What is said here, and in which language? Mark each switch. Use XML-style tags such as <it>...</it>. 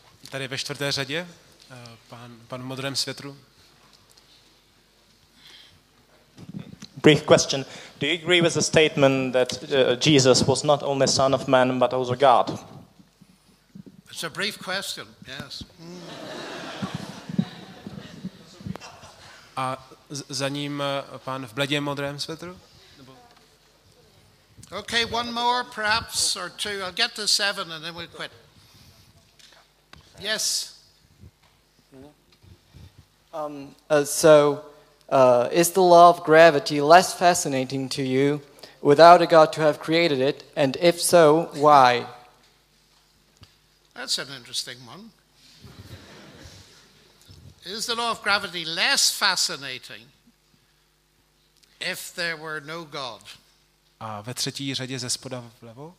<cs>Tady ve čtvrté řadě, pan v modrém světru.</cs> <en>Brief question. Do you agree with the statement that Jesus was not only son of man, but also God? It's a brief question, yes.</en> <cs>A za ním pan v bledém modrém světru?</cs> <en>Okay, one more perhaps, or two. I'll get to seven and then we'll quit. Yes. Is the law of gravity less fascinating to you without a God to have created it? And if so, why? That's an interesting one. Is the law of gravity less fascinating if there were no God?</en> <cs>A ve třetí řadě ze spoda vlevo?</cs>